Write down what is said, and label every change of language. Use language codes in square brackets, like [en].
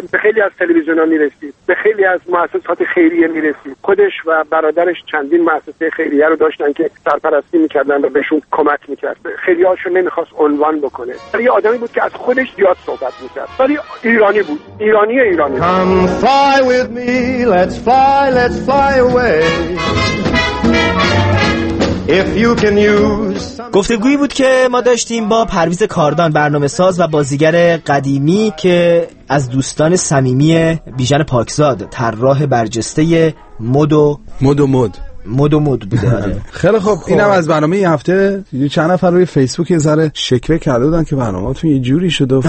[fa] به خیلی از تلویزیون ها میرسید، به خیلی از مؤسسات خیریه میرسید، خودش و برادرش چندین مؤسسه خیریه رو داشتن که سرپرستی میکردن و بهشون کمک میکرد. خیلی هاشو نمیخواست عنوان بکنه، ولی یه آدمی بود که از خودش زیاد صحبت میکرد، ولی ایرانی بود، ایرانی ایرانی. [en] Come fly with me, let's fly, let's fly away. [fa] گفتگویی بود که ما داشتیم با پرویز کاردان، برنامه ساز و بازیگر قدیمی که از دوستان صمیمی بیژن پاکزاد، طراح برجسته مد و مد بوده. خیلی خوب، اینم از برنامه این هفته. چند نفر روی فیسبوک یه ذره شکوه کرده بودن که برنامه‌تون یه جوری شد و